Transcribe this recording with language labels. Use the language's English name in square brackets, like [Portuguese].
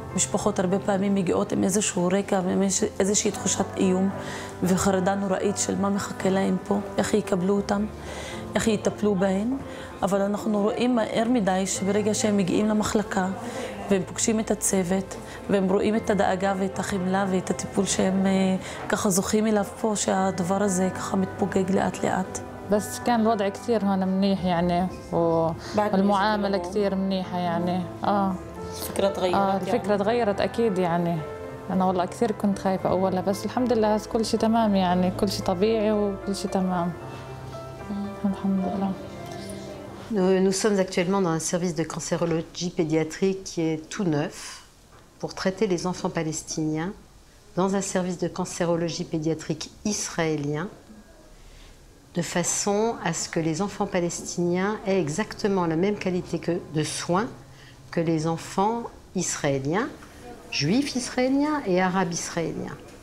[Hebrew] משפחות הרבה פעמים מגיעות עם איזשהו רקע ואיזושהי תחושת איום וחרדה נוראית של מה מחכה להם פה, איך יקבלו אותם, איך יטפלו בהם. אבל אנחנו רואים מהר מדי שברגע שהם מגיעים למחלקה והם פוגשים את הצוות והם רואים את הדאגה ואת החמלה ואת הטיפול שהם ככה זוכים אליו פה, שהדבר הזה ככה מתפוגג לאט לאט. [Arabic] بس كان الوضع كثير هون منيح يعني والمعامله كثير منيحه يعني الفكره تغيرت الفكره يعني. تغيرت اكيد يعني انا والله كثير كنت خايفه اولها بس الحمد لله هسه كل شيء تمام يعني كل شيء طبيعي وكل شيء تمام الحمد لله [French] nous sommes actuellement dans un service de cancérologie pédiatrique qui est tout neuf pour traiter les enfants palestiniens dans un service de cancérologie pédiatrique israélien de façon à ce que les enfants palestiniens aient exactement la même qualité de soins que les enfants israéliens, juifs israéliens et arabes israéliens.